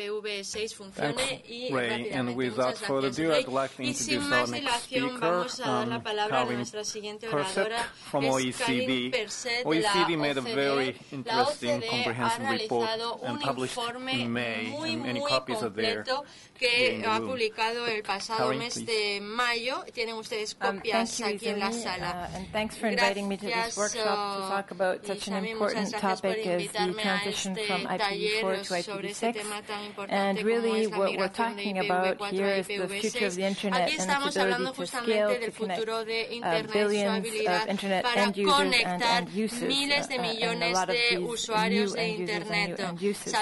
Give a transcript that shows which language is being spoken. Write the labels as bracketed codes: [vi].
[en] Thanks, Ray. And without further ado, I'd like to introduce our next speaker, Karin Persek from OECD. OECD made a very interesting, comprehensive report and published in May, and many copies [es] que ha publicado el pasado mes de mayo. Tienen ustedes copias aquí en la sala. [en] Thanks for inviting me to this workshop to talk about such an important topic as the transition from IPv4 to IPv6. And really what we're talking about here is the future of the Internet and its ability to scale to connect billions of Internet end users and uses and a lot of these new end users and new uses.